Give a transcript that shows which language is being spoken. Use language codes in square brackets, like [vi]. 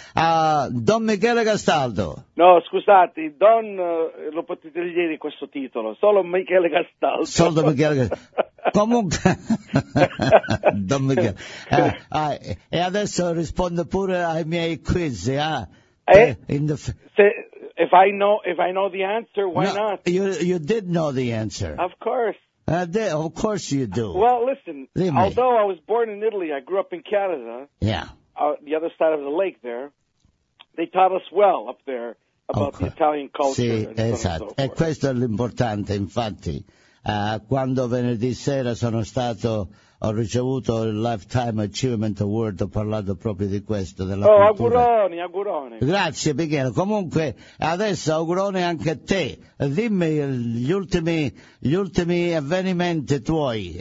[it] Don Michele Castaldo. No, scusate, Don, lo potete dire questo titolo, solo Michele Castaldo. Solo Michele Castaldo. Comunque, Don Michele. E adesso rispondo pure ai miei quiz. [en] If I know the answer, why not? You did know the answer. Of course. Of course you do. Well, listen, although I was born in Italy, I grew up in Canada. Yeah. The other side of the lake there. They taught us well up there about the Italian culture. [it] Sì, esatto. E questo è l'importante, infatti. Quando venerdì sera ho ricevuto il Lifetime Achievement Award, ho parlato proprio di questo, della cultura. Auguroni. Grazie, Michele. Comunque, adesso auguroni anche a te. Dimmi gli ultimi avvenimenti tuoi.